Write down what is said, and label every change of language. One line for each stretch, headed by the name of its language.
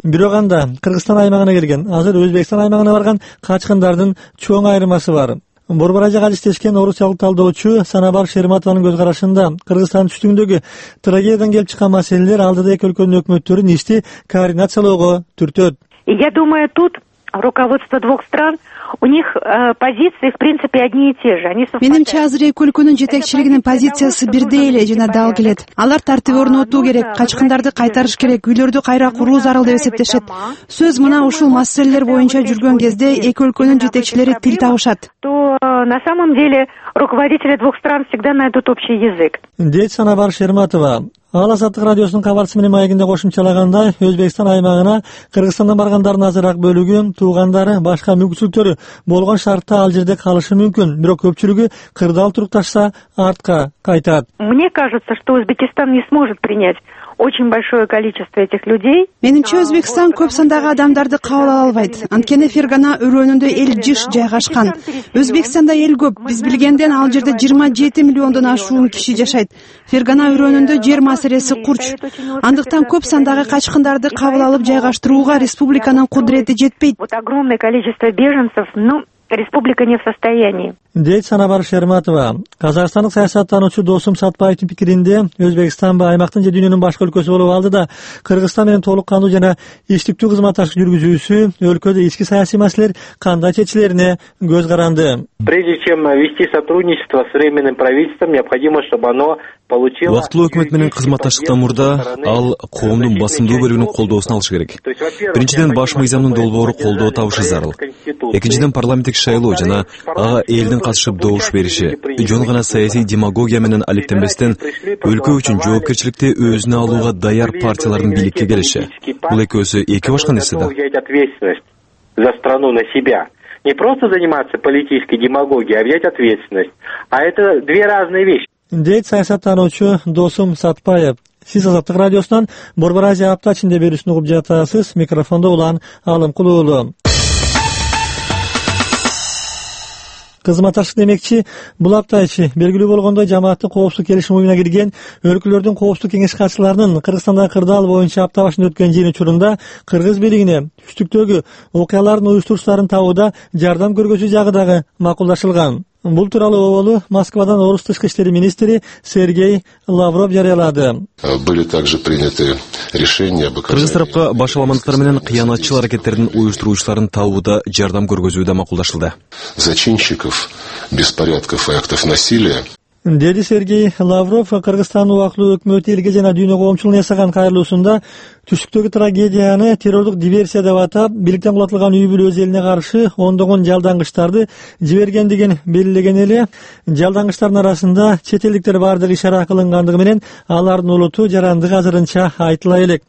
Kyrgyz: Бирок анда Кыргызстан аймагына келген, азыр Өзбекстан аймагына барган качкындардын чоң айырмасы бар. Борбор Азияга иштешкен орусиялык талдоочу Санабар Шерматованын көз карашында Кыргызстандын түштүгүндөгү трагедиядан келип чыккан маселелер алдыда эки өлкөнүн өкмөттөрүн ишти координациялоого түртөт.
Russian: Я думаю, тут руководство двух стран У них позиции, в принципе, одни и те же. Они совпадают.
Kyrgyz: Менимче азыр эки өлкөнүн жетекчилигинин позициясы бирдей эле жана дал келет. Алар тартип орнотуу керек, качкындарды кайтарыш керек, үйлөрдү кайра куруу зарыл деп эсептешет. Сөз мына ушул маселелер боюнча жүргөн кезде эки өлкөнүн жетекчилери тил табышат.
Russian: На самом деле, руководители двух стран всегда найдут общий язык.
Kyrgyz: Дейт Санавар Шерматова. Ал Азаттык радиосунун кабарчысы менен маегинде кошумчалагандай, Өзбекстан аймагына Кыргызстандан баргандардын азыраак бөлүгү, туугандары, башка мүмкүнчүлүктөрү болгон шартта ал жерде калышы мүмкүн, бирок көпчүлүгү кырдаал турукташса артка кайтат.
Russian: Мне кажется, что Узбекистан не сможет принять очень большое количество этих людей.
Kyrgyz: Менинче Өзбекстан көп сандагы адамдарды кабыл ала албайт. Анткени Фергана өрөөнүндө эл жыш жайгашкан. Өзбекстанда эл көп. Биз билгенден ал жерде 27 миллиондон ашуун киши жашайт. Фергана өрөөнүндө жер маселеси курч. Андыктан көп сандагы качкындарды кабыл алып жайгаштырууга республиканын кудурети жетпейт.
Russian: Вот огромное количество беженцев, но республика не в состоянии.
Kyrgyz: Дейт Санабар Шерматова. Казахстандык саясаттануучу Досум Сатбаевдин пикиринде Өзбекстан аймактын же дүйнөнүн башка өлкөсү болуп алды да Кыргызстан менен толук кандуу жана иштиктүү кызматташтык жүргүзүүсү өлкөдө ички саясий маселелер кандай чечилерине көз каранды.
Russian: Прежде чем вести сотрудничество с временным правительством, необходимо, чтобы оно получило.
Kyrgyz: Убактылуу өкмөт менен кызматташтыкта мурда ал коомдун басымдуу бөлүгүнүн колдоосун алышы керек. Биринчиден баш мыйзамдын долбоору колдоо табышы зарыл. Экинчиден парламенттик шайлоо жана ага элдин катышып добуш бериши жөн гана саясий демагогия менен алектенбестен өлкө үчүн жоопкерчиликти өзүнө алууга даяр партиялардын бийликке келиши. Бул экөөсү эки башка нерсе да.
Russian: За страну на себя. Не просто заниматься политической демагогией, а взять ответственность. А это две разные вещи.
Kyrgyz: Дейт саясаттануучу Досум Сатпаев. Сиз Азаттык радиосунан Борбор Азия апта ичинде берүүсүн угуп жатасыз. Микрофондо Улан Алымкул уулу. Кызматташтык демекчи, бул апта ичи белгилүү болгондой жамааттык коопсуздук келишими уюмуна кирген өлкөлөрдүн коопсуздук кеңеши катчыларынын Кыргызстандагы кырдаал боюнча апта башында өткөн жыйын учурунда кыргыз бийлигине түштүктөгү окуялардын уюштуруучуларын табууда жардам көргөзүү жагы дагы макулдашылган. Бул тууралуу оболу Москвадан Орус тышкы иштер министри Сергей Лавров жарыялады.
Russian: Были также приняты решения об
Kyrgyz: кыргыз тарапка башаламандыктар менен кыянатчыл аракеттердин уюштуруучуларын табууда жардам көргөзүү да макулдашылды.
Russian: Зачинщиков беспорядков и актов насилия.
Kyrgyz: Деди Сергей Лавров Кыргызстандын убактылуу өкмөтү элге жана дүйнө коомчулугуна жасаган кайрылуусунда түштүктөгү трагедияны террордук диверсия деп атап, бийликтен кулатылган үй бүлө өз элине каршы ондогон жалдангычтарды жибергендигин белгилеген эле жалдангычтардын арасында чет элдиктер бардыгы ишара кылынгандыгы менен алардын улуту жарандыгы азырынча айтыла элек.